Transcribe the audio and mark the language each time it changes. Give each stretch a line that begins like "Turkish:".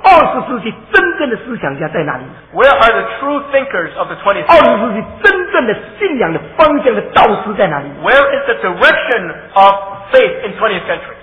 Chinese: 20世纪真正的思想家在哪里？
English: Where are the true thinkers of the 20th century?
Chinese: 20世纪真正的信仰的方向的导师在哪里？
English: Where is the direction of faith in 20th century?